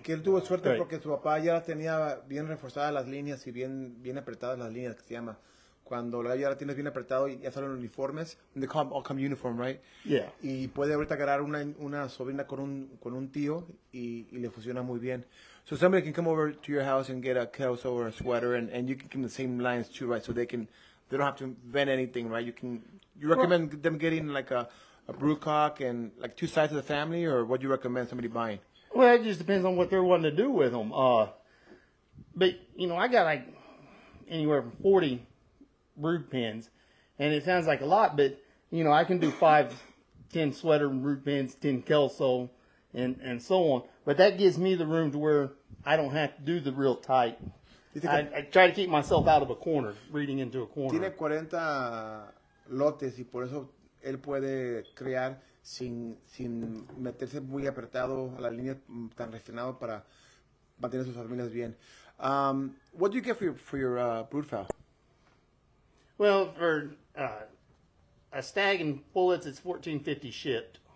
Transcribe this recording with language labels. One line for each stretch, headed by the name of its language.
Spanish: Que él tuvo suerte porque su papá ya tenía bien reforzadas las líneas y bien apretadas las líneas que se llama. Cuando ya la tienes bien apretado y ya salen uniformes.
English: They all come uniform, right? Yeah.
Spanish: Y puede ahorita agarrar una sobrina con un tío y le funciona muy bien.
English: So somebody can come over to your house and get a kiddo or a sweater and you can give them the same lines too, right? So they don't have to invent anything, right? You recommend them getting like a brood cock and like two sides of the family, or what do you recommend somebody buying? Well, it just depends on what they're wanting to do with them. But, you know, I got like anywhere from 40 brood pens, and it sounds like a lot, but, you know, I can do 5, 10 sweater brood pens, 10 Kelso, and so on. But that gives me the room to where I don't have to do the real tight. I try to keep myself out of a corner, reading into a corner.
Spanish: Tiene 40 lotes y por eso él puede crear sin meterse muy apretado a la línea tan refinado para mantener sus familias bien.
English: What do you get for your brood fowl? Well, for a stag and pullets, it's $14.50 shipped.